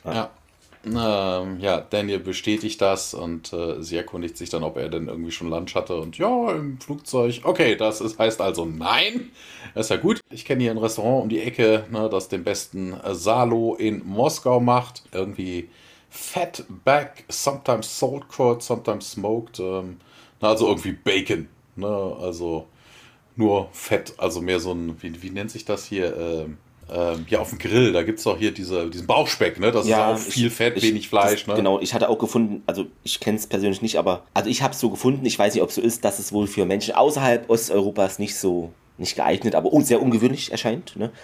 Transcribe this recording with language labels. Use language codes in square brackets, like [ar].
[de] Ja. Ja, Daniel bestätigt das und sie erkundigt sich dann, ob er denn irgendwie schon Lunch hatte und ja, im Flugzeug. Okay, das heißt also nein. Das ist ja gut. Ich kenne hier ein Restaurant um die Ecke, ne, das den besten Salo in Moskau macht. [en] Irgendwie fat back, sometimes salt cured, sometimes smoked. [de] Also irgendwie Bacon. Ne? Also nur Fett, also mehr so ein, wie nennt sich das hier? Ja, auf dem Grill, da gibt es doch hier diesen Bauchspeck, ne? Das ja, ist auch viel Fett, wenig Fleisch, das, ne? Genau, ich hatte auch gefunden, also ich kenne es persönlich nicht, aber also ich habe es so gefunden, ich weiß nicht, ob es so ist, dass es wohl für Menschen außerhalb Osteuropas nicht geeignet, aber sehr ungewöhnlich erscheint, ne?